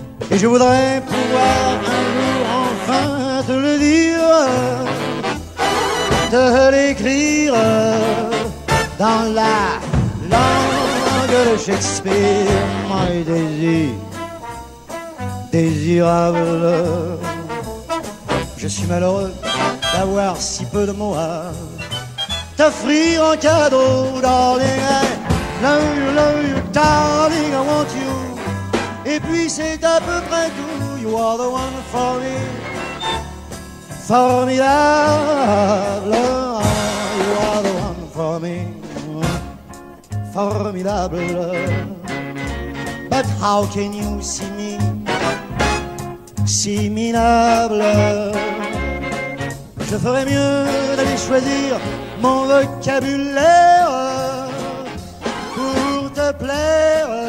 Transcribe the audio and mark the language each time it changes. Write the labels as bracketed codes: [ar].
[fr] Et je voudrais pouvoir un jour enfin te le dire, te l'écrire dans la langue de Shakespeare, my désir, désirable. Je suis malheureux d'avoir si peu de mots à t'offrir en cadeau, darling. [en] I love you, darling, I want you. [fr] Et puis c'est à peu près tout. [en] You are the one for me, formidable. You are the one for me, formidable. But how can you see me, see me noble? [fr] Je ferais mieux d'aller choisir mon vocabulaire pour te plaire.